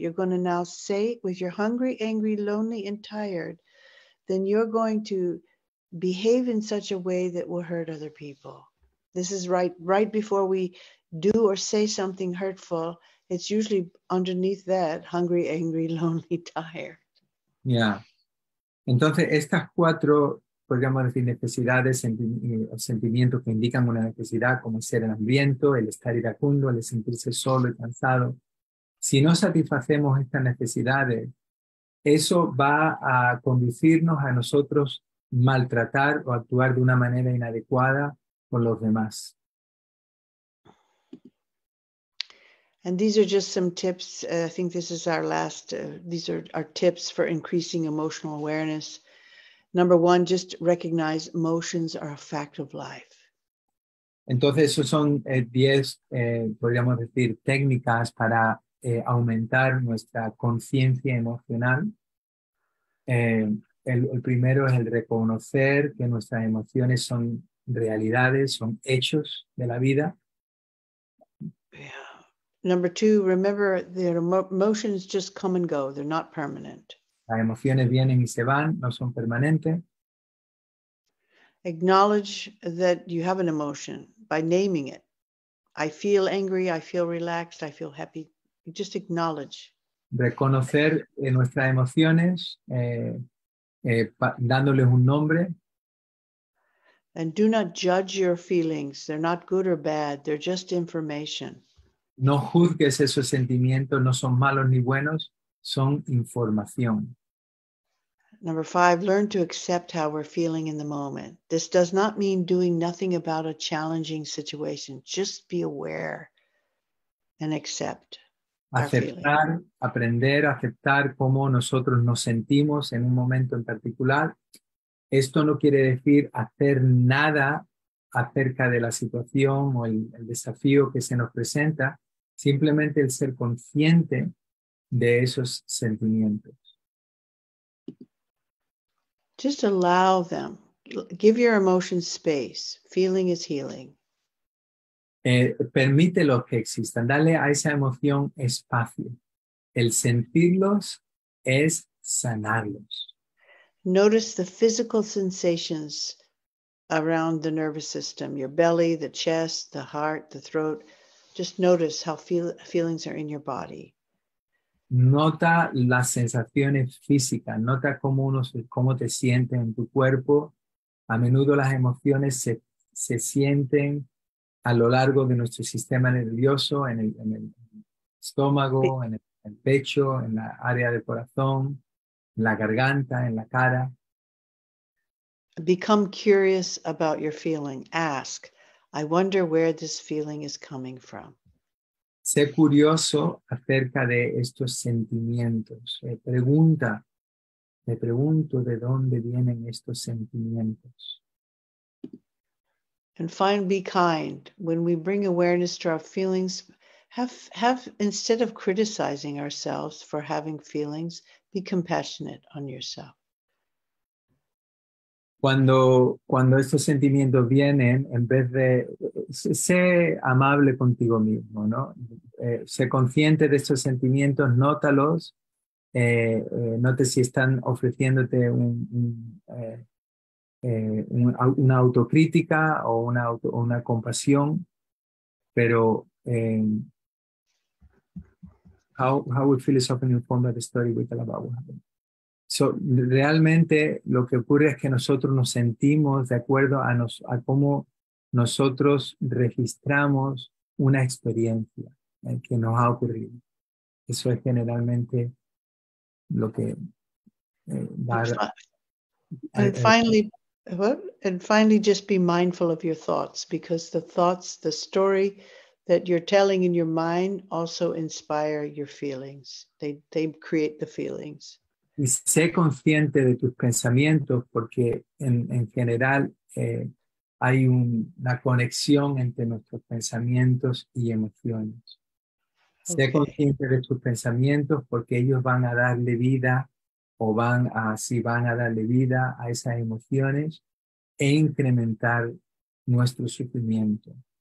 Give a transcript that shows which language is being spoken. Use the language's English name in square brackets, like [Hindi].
[English] You're going to now say, if you're hungry, angry, lonely, and tired, then you're going to behave in such a way that will hurt other people. This is right before we do or say something hurtful. It's usually underneath that, hungry, angry, lonely, tired. Yeah. [Spanish] Entonces, estas cuatro, podríamos decir, necesidades, sentimientos que indican una necesidad, como ser el hambriento, el estar iracundo, el sentirse solo y cansado. Si no satisfacemos estas necesidades, eso va a conducirnos a nosotros maltratar o actuar de una manera inadecuada con los demás. [English] And these are just some tips. I think this is our last, these are our tips for increasing emotional awareness. Number one, just recognize emotions are a fact of life. [Spanish] Entonces, esos son 10, podríamos decir, técnicas para aumentar nuestra conciencia emocional. El primero es el reconocer que nuestras emociones son realidades, son hechos de la vida. [English] Number two, remember that emotions just come and go. They're not permanent. [Spanish] Las emociones vienen y se van, no son permanentes. [English] Acknowledge that you have an emotion by naming it. I feel angry, I feel relaxed, I feel happy. Just acknowledge. [Spanish] Reconocer nuestras emociones, dándoles un nombre. [English] And do not judge your feelings. They're not good or bad. They're just information. [Spanish] No juzgues esos sentimientos, no son malos ni buenos, son información. [English] Number five, learn to accept how we're feeling in the moment. This does not mean doing nothing about a challenging situation. Just be aware and accept. [Spanish] Aceptar, aprender a aceptar cómo nosotros nos sentimos en un momento en particular. Esto no quiere decir hacer nada acerca de la situación o el desafío que se nos presenta. Simplemente el ser consciente de esos sentimientos. [English] Just allow them. Give your emotions space. Feeling is healing. [Spanish] Permítelos que existan. Dale a esa emoción espacio. El sentirlos es sanarlos. [English] Notice the physical sensations around the nervous system, your belly, the chest, the heart, the throat. Just notice how feelings are in your body. [Spanish] Nota las sensaciones físicas, nota cómo te sientes en tu cuerpo. A menudo las emociones se sienten a lo largo de nuestro sistema nervioso, en el estómago, en el pecho, en la área del corazón, en la garganta, en la cara. [English] Become curious about your feeling. Ask, I wonder where this feeling is coming from. [Spanish] Sé curioso acerca de estos sentimientos. Me pregunto de dónde vienen estos sentimientos. [English] And finally, be kind. When we bring awareness to our feelings, have instead of criticizing ourselves for having feelings, be compassionate on yourself. [Spanish] Cuando estos sentimientos vienen, en vez de sé amable contigo mismo, ¿no? Sé consciente de estos sentimientos, nótalos, note si están ofreciéndote una autocrítica o una compasión, pero [English] how would philosophical form of the story with the love? [Spanish] So, realmente lo que ocurre es que nosotros nos sentimos de acuerdo a cómo nosotros registramos una experiencia que nos ha ocurrido. Eso es generalmente lo que va a... [English] And finally, just be mindful of your thoughts, because the thoughts, the story that you're telling in your mind also inspire your feelings. They create the feelings. [Spanish] Y sé consciente de tus pensamientos, porque en general hay una conexión entre nuestros pensamientos y emociones. Okay. Sé consciente de tus pensamientos porque ellos van a darle vida van a darle vida a esas emociones e incrementar nuestro sufrimiento.